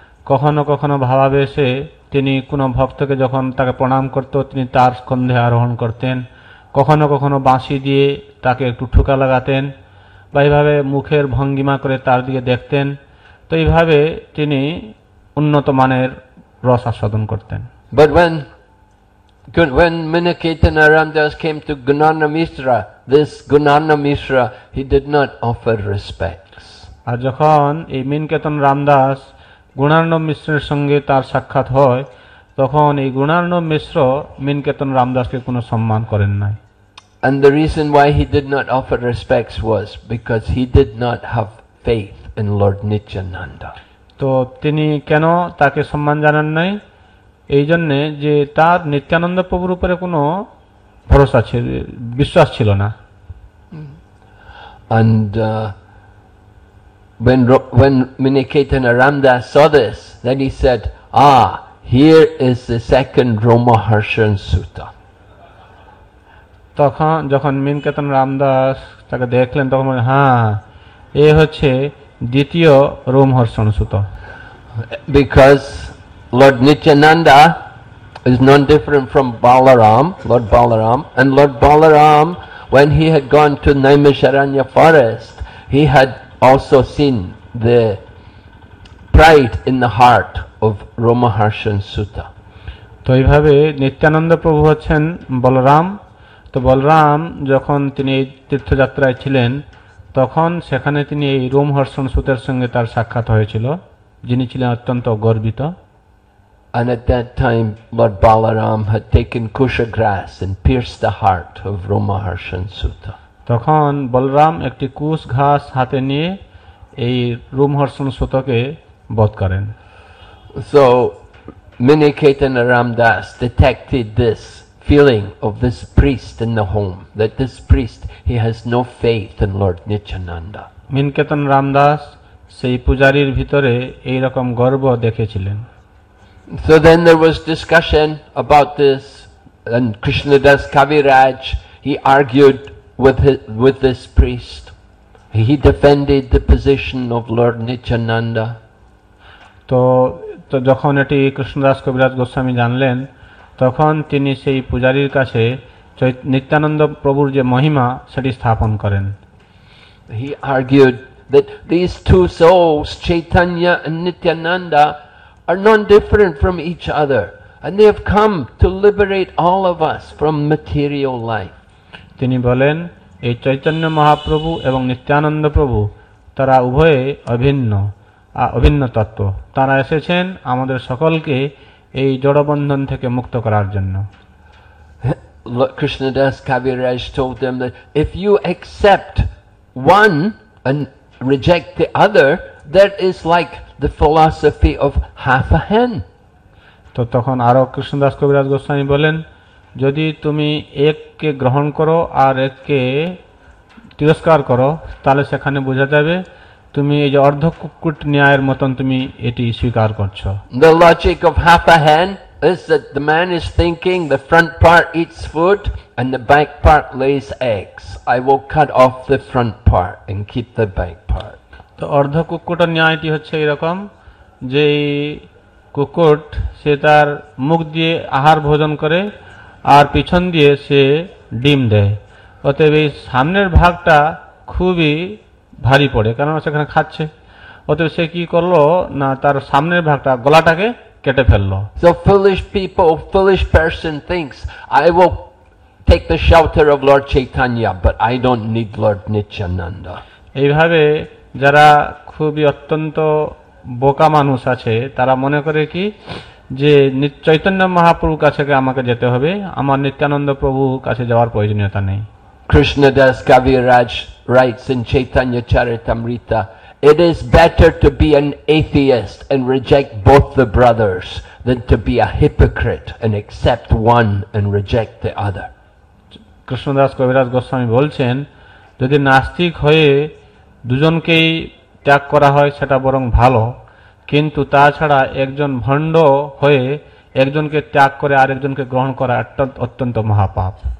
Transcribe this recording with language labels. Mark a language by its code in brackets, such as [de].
[bn] কখনো কখনো ভাবাবেশে তিনি কোনো ভক্তকে যখন তাকে প্রণাম করত তিনি তার স্কন্ধে আরোহণ করতেন। কখনো কখনো বাঁশি দিয়ে তাকে একটু ঠুকা লাগাতেন বা এইভাবে মুখের ভঙ্গিমা করে তার দিকে দেখতেন। তো এইভাবে তিনি উন্নত মানের রস আস্বাদন করতেন। [en] But when When Miniketana Ramdas came to Gunanna Mishra, this Gunanna Mishra, he did not offer respects. [bn] আর যখন এই মিনকেতন রামদাস গুণানন্দ মিশ্রের সঙ্গে তার সাক্ষাৎ হয় তখন এই গুণানন্দ মিশ্র মিনকেতন রামদাসকে কোনো সম্মান করেন নাই। [en] And the reason why he did not offer respects was because he did not have faith in Lord Nityananda. [bn] তো তিনি কেন তাকে সম্মান জানান নাই? এই জন্যে যে তার নিত্যানন্দ প্রভুর উপরে কোনো ভরসা ছিল, বিশ্বাস ছিল না। [en] And when Miniketana Ramdas saw this, then he said, "Ah, here is the second Romaharshan Sutta." [bn] তখন যখন মিনকেতন রামদাস তাকে দেখলেন তখন বললেন, হ্যাঁ, এ হচ্ছে দ্বিতীয় রোমহর্ষণ সুতো। [en] Because Lord Nityananda is non different from Balaram, Lord Balaram. And Lord Balaram, when he had gone to Naimisharanya forest, he had also seen the pride in the heart of Romaharshan Sutta. [bn] তো এইভাবে নিত্যানন্দ প্রভু হচ্ছেন বলরাম। তো বলরাম যখন তিনি এই তীর্থযাত্রায় ছিলেন তখন সেখানে তিনি এই রোমহর্ষণ সুতের সঙ্গে তার সাক্ষাৎ হয়েছিল, যিনি ছিলেন অত্যন্ত গর্বিত। [en] And at that time, Lord Balaram had taken kusha grass and pierced the heart of Romaharshan Sutta. [bn] তখন বলরাম একটি কুশ ঘাস হাতে নিয়ে এই রোমহর্ষণ সুতকে বধ করেন। [en] So Miniketana Ramdas detected this feeling of this priest in the home, that this priest, he has no faith in Lord Nityananda. [bn] মিনকেতন Ramdas সেই পূজারীর ভিতরে এই রকম গর্ব দেখেছিলেন। [en] So then there was discussion about this, and Krishnadas Kaviraj, he argued with this priest. He defended the position of Lord Nityananda. [bn] তো যখন এটি কৃষ্ণদাস কবিরাজ গোস্বামী জানলেন তখন তিনি সেই পূজারীর কাছে নিত্যানন্দ প্রভুর যে মহিমা সেটি স্থাপন করেন। [en] He argued that these two souls, Chaitanya and Nityananda, are non-different from each other, and they have come to liberate all of us from material life. [bn] তিনি বলেন, এই চৈতন্য মহাপ্রভু এবং নিত্যানন্দ প্রভু তারা উভয়ে অভিন্ন অভিন্ন তত্ত্ব, তারা এসেছেন আমাদের সকলকে এই জড়বন্ধন থেকে মুক্ত করার জন্য। [en] Krishnadas Kaviraj told them that if you accept one and reject the other, that is like the philosophy of half a hen. [bn] তো তখন আরো কৃষ্ণদাস কবিরাজ গোস্বামী বলেন, যদি তুমি এককে গ্রহণ করো আর এককে তিরস্কার করো তাহলে সেখানে বোঝা যাবে তুমি এই যে অর্ধ কুকুট ন্যায়ের মতন তুমি এটি স্বীকার করছো। [en] The logic of half a hen is that the man is thinking the front part eats food and the back part lays eggs. I will cut off the front part and keep the back part. [bn] তো অর্ধ কুকুট ন্যায়টি হচ্ছে এরকম যে কুকুট সে তার মুখ দিয়ে আহার ভোজন করে আর পিছন দিয়ে সে ডিম দেয়, অতএব এই সামনের ভাগটা খুবই ভারী পড়ে কারণ সেখানে খাচ্ছে, অতএব সে কি করলো না তার সামনের ভাগটা গলাটাকে কেটে ফেললো। [en] So foolish people, foolish person thinks, I will take the shelter of Lord Chaitanya, but I don't need Lord Nityananda. [bn] এইভাবে যারা খুবই অত্যন্ত বোকা মানুষ আছে তারা মনে করে কি যে চৈতন্য মহাপ্রভুর কাছে আমাকে যেতে হবে, আমার নিত্যানন্দ প্রভু কাছে যাওয়ার প্রয়োজনীয়তা নেই। [en] Krishnadas Kaviraj writes in Chaitanya Charitamrita, "It is better to be an atheist and reject both the brothers than to be a hypocrite and accept one and reject the other." [bn] Krishnadas Kaviraj Goswami বলছেন, যদি নাস্তিক হয়ে দুজনকেই ত্যাগ করা হয় সেটা বরং ভালো, কিন্তু তাছাড়া একজন ভণ্ড হয়ে একজনকে ত্যাগ করে আরেকজনকে গ্রহণ করা অত্যন্ত মহাপাপ।